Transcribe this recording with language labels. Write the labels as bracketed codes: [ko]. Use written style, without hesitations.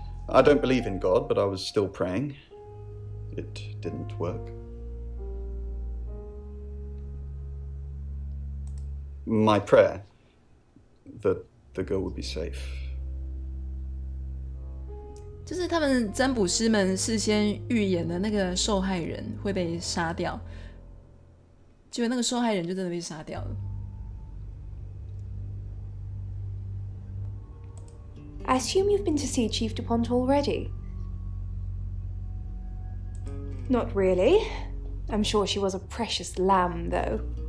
[en] I don't believe in God, but I was still praying. It didn't work. My prayer that the girl would be safe. [zh] 就是他们占卜师们事先预言的那个受害人会被杀掉，结果那个受害人就真的被杀掉了。 [en] I assume you've been to see Chief Dupont already. Not really. I'm sure she was a precious lamb, though.